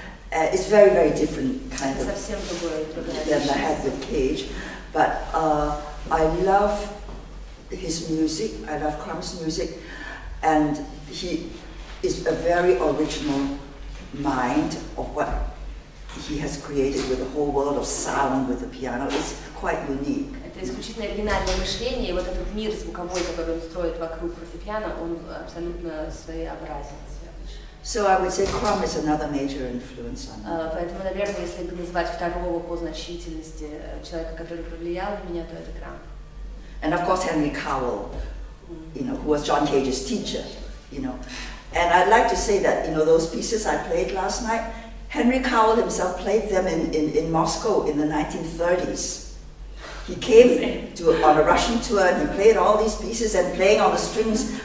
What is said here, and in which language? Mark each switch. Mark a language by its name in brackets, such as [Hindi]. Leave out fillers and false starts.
[English] It's very, very different kind of than I had with Cage, but. I love his music, I love Crumb's music, and he is a very original mind of what he has created with the whole world of sound with the piano. It's quite unique. [Russian] Это исключительно оригинальное мышление, и вот этот мир звуковой, который он строит вокруг фортепиано, он абсолютно своеобразен. [English] So I would say Crumb is another major influence on me. [Russian] Поэтому, наверное, если бы назвать второго по значительности человека, который повлиял на меня, то это Crumb. [English] And of course Henry Cowell, you know, who was John Cage's teacher, you know. And I'd like to say that, you know, those pieces I played last night, Henry Cowell himself played them in Moscow in the 1930s. He came to on a Russian tour and he played all these pieces and playing on the strings.